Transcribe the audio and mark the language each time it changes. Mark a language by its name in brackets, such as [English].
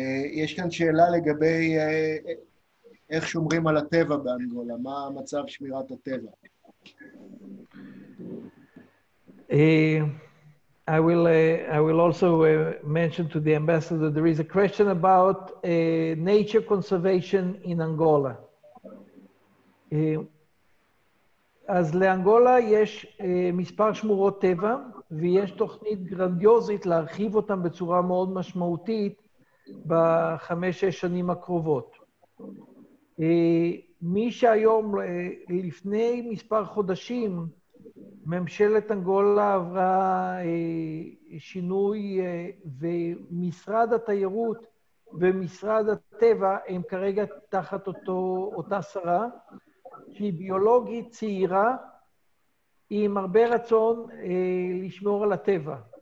[Hebrew] יש כאן שאלה לגבי איך שומרים על הטבע באנגולה, מה מצב שמירת הטבע? [English] I will also mention to the ambassador there is a question about nature conservation in Angola. [Hebrew] אז לאנגולה יש מספר שמורות טבע, ויש תוכנית גרנדיוזית להרחיב אותם בצורה מאוד משמעותית ב5-6 שנים הקרובות. מי שהיום, לפני מספר חודשים, ממשלת אנגולה עברה שינוי, ומשרד התיירות ומשרד הטבע הם כרגע תחת אותה שרה, שהיא ביולוגית צעירה, עם הרבה רצון לשמור על הטבע.